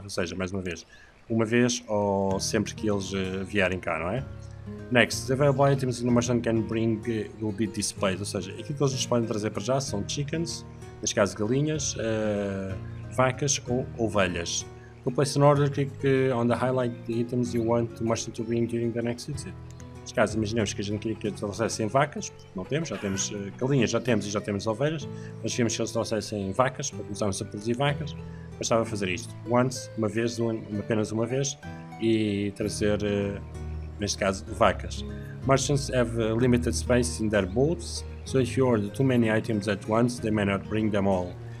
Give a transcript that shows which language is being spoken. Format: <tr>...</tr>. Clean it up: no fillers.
<pt>Ou seja, mais uma vez ou sempre que eles vierem cá, não é?</pt> <en>Next, the available items in the merchant can bring will be displayed.</en> <pt>Ou seja, aquilo que eles nos podem trazer para já são chickens, neste caso galinhas, vacas ou ovelhas.</pt> <en>To place an order, click on the highlight the items you want the merchant to bring during the next visit.</en> <pt>Neste caso, imaginemos que a gente queria que eles trouxessem vacas, não temos, já temos galinhas, já temos e já temos ovelhas, mas queríamos que eles trouxessem vacas, para começarmos a produzir vacas, bastava fazer isto, once, uma vez, apenas uma vez, e trazer, neste caso, vacas.</pt> <en>Merchants have limited space in their booths, so if you order too many items at once, they may not bring them all.</en>